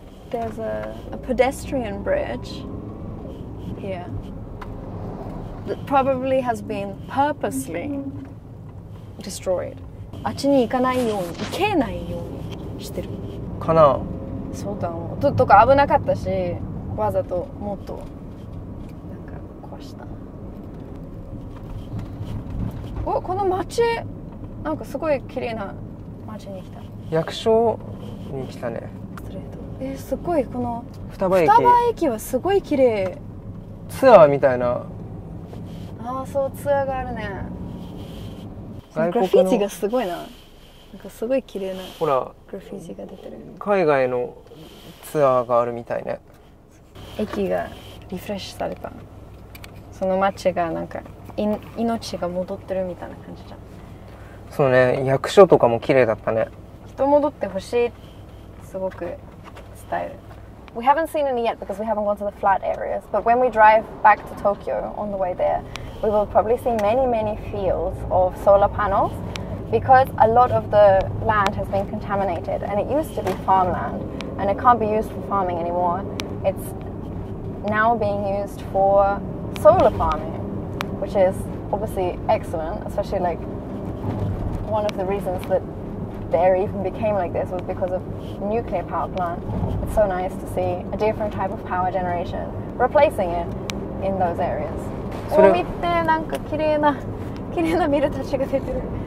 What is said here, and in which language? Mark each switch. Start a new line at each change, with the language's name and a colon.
English: There's a pedestrian bridge here that probably has been purposely destroyed.
Japanese: あっちに行かないように、行けないようにしてる。かな。そうだ。とか危なかったし、わざともっとなんか壊した。お、この街なんかすごい綺麗な街に来た。役所に来たね。すごい、この双葉駅はすごい綺麗。ツアーみたいな。ああ、そう、ツアーがあるね。グラフィティがすごいな。なんかすごい綺麗な、ほら、グラフィティが出てる。海外のツアーがあるみたいね。駅がリフレッシュされた。その街がなんか命が戻ってるみたいな感じじゃん。そうね、役所とかも綺麗だったね。人戻ってほしい、すごく伝える。
English: We haven't seen any yet because we haven't gone to the flat areas. But when we drive back to Tokyo on the way there, we will probably see many, many fields of solar panels because a lot of the land has been contaminated and it used to be farmland and it can't be used for farming anymore. It's now being used for solar farming, which is obviously excellent, especially like one of the reasons thatthe area even became like this was because of nuclear power plant. It's so nice to see a different type of power generation replacing it in those areas.
Japanese: それ見て、なんか綺麗な綺麗なビルたちが出てる。